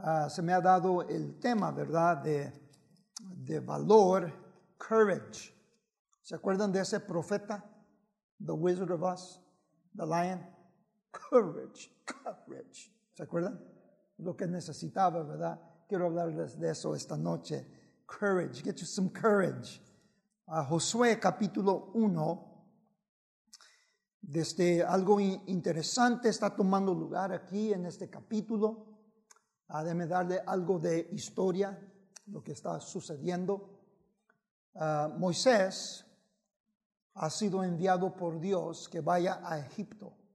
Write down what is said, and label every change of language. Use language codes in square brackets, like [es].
[es] Se me ha dado el tema, ¿verdad?, de valor, courage. ¿Se acuerdan de ese profeta? The Wizard of Oz, the Lion. [en] Courage, courage. [es] ¿Se acuerdan? Lo que necesitaba, ¿verdad? Quiero hablarles de eso esta noche. [en] Courage, get you some courage. [es] Josué capítulo 1, desde algo interesante está tomando lugar aquí en este capítulo. Déjeme darle algo de historia, lo que está sucediendo. Moisés ha sido enviado por Dios que vaya a Egipto.